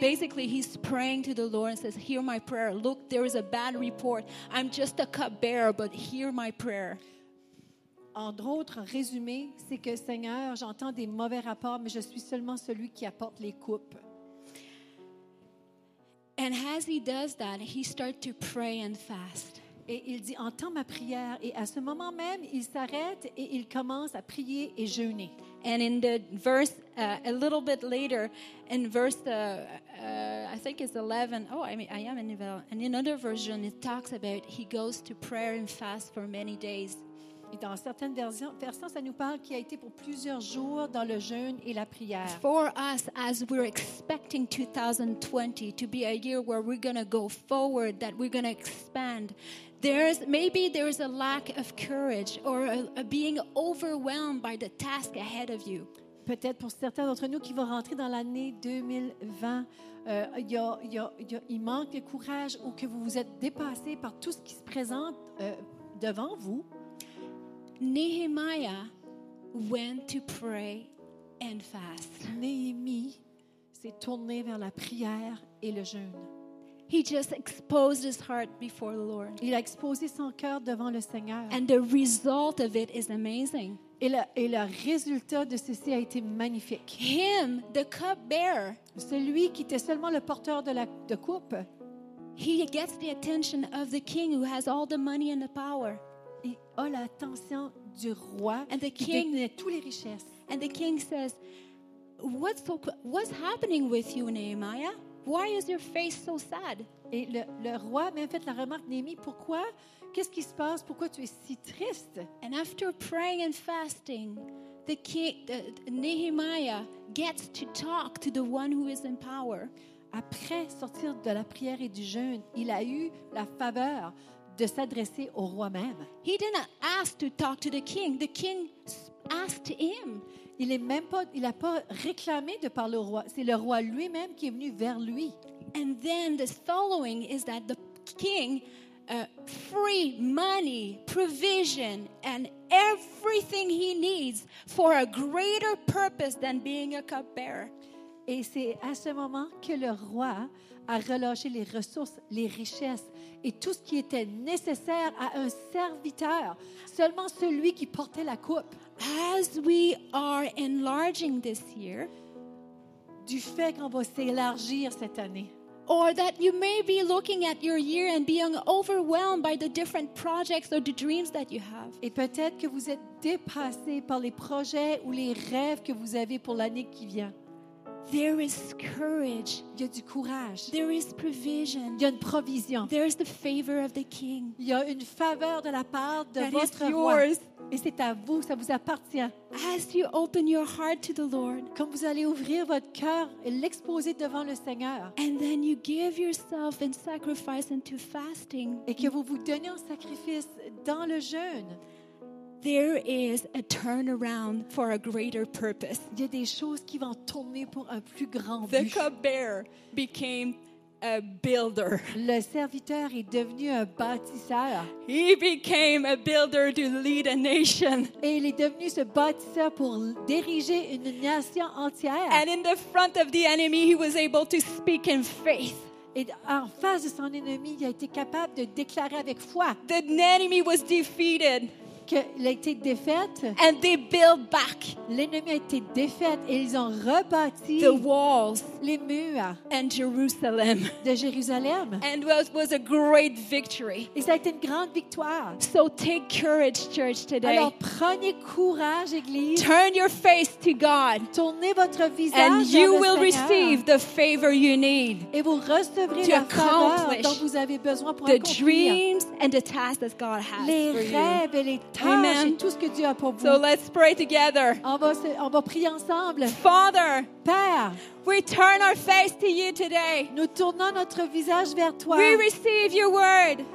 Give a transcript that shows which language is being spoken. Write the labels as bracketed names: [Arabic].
[English] Basically, he's praying to the Lord and says, "Hear my prayer. Look, there is a bad report. I'm just a cupbearer, but hear my prayer." [French] En d'autres résumés, c'est que Seigneur, j'entends des mauvais rapports, mais je suis seulement celui qui apporte les coupes. [English] And as he does that, he starts to pray and fast. [French] Et il dit, entends ma prière. Et à ce moment même, il s'arrête et il commence à prier et jeûner. [English] And in the verse, a little bit later, in verse, I think it's 11. Oh, I mean, I am in Evel. And in another version, it talks about he goes to prayer and fast for many days. [French] Et dans certaines versions, ça nous parle qu'il a été pour plusieurs jours dans le jeûne et la prière. [English] For us, as we're expecting 2020 to be a year where we're going to go forward, that we're going to expand, maybe there's a lack of courage or a being overwhelmed by the task ahead of you. [French] Peut-être pour certains d'entre nous qui vont rentrer dans l'année 2020, il manque de courage ou que vous vous êtes dépassé par tout ce qui se présente devant vous. [English] Nehemiah went to pray and fast. [French] Néhémie s'est tourné vers la prière et le jeûne. [English] He just exposed his heart before the Lord. [French] Il a exposé son cœur devant le Seigneur. [English] And the result of it is amazing. [French] Et le résultat de ceci a été magnifique. [English] Him, the cupbearer, [French] celui qui était seulement le porteur de coupe, [English] he gets the attention of the king who has all the money and the power. [French] Il a l'attention du roi et de toutes les richesses. [English] And the king says, what's happening with you, Nehemiah? Why is your face so sad? [French] Et le roi m'a fait la remarque, Néhémie, pourquoi? Qu'est-ce qui se passe? Pourquoi tu es si triste? [English] And after praying and fasting, the king, Nehemiah, gets to talk to the one who is in power. [French] Après sortir de la prière et du jeûne, il a eu la faveur de s'adresser au roi même. [English] He didn't ask to talk to the king. The king asked him. [French] Il n'a pas réclamé de parler au roi. C'est le roi lui-même qui est venu vers lui. [English] And then the following is that the king free money, provision, and everything he needs for a greater purpose than being a cupbearer. [French] Et c'est à ce moment que le roi a relâché les ressources, les richesses et tout ce qui était nécessaire à un serviteur, seulement celui qui portait la coupe. [English] As we are enlarging this year, [French] du fait qu'on va s'élargir cette année, [English] or that you may be looking at your year and being overwhelmed by the different projects or the dreams that you have. [French] Et peut-être que vous êtes dépassé par les projets ou les rêves que vous avez pour l'année qui vient. [English] There is courage. [French] Il y a du courage. [English] There is provision. [French] Il y a une provision. [English] There is the favor of the king. [French] Il y a une faveur de la part de [English] that [French] votre roi. [English] Yours. [French] Et c'est à vous, ça vous appartient. [English] As you open your heart to the Lord, [French] comme vous allez ouvrir votre cœur et l'exposer devant le Seigneur, [English] and then you give yourself in sacrifice into fasting, [French] et que vous vous donnez en sacrifice dans le jeûne, [English] there is a turnaround for a greater purpose. [French] Il y a des choses qui vont tourner pour un plus grand but. [English] The cupbearer became a builder. [French] Le serviteur est devenu un bâtisseur. [English] He became a builder to lead a nation. [French] Et il est devenu ce bâtisseur pour diriger une nation entière. [English] And in the front of the enemy, he was able to speak in faith. [French] Et en face de son ennemi, il a été capable de déclarer avec foi. [English] The enemy was defeated. [French] Qu'il a été défaite. [English] And they built back. [French] L'ennemi a été défaite et ils ont rebâti [English] the walls, [French] les murs, [English] and Jerusalem. [French] De Jérusalem. [English] And it was a great victory. [French] Et ça a été une grande victoire. [English] So take courage, church, today. [French] Alors prenez courage, église. [English] Turn your face to God. [French] Tournez votre visage [English] and you [French] vers le [English] will [French] Seigneur. [English] Receive the favor you need. [French] Et vous recevrez [English] to [French] la faveur dont vous avez besoin pour accomplir [English] the dreams and the tasks that God has [French] les [English] for [French] rêves [English] you. [French] Et les Amen. Tout ce que Dieu a pour vous. [English] So let's pray together. [French] On va prier ensemble. [English] Father, [French] Père, [English] we turn our face to you today. [French] Nous tournons notre visage vers toi. [English] We receive your word.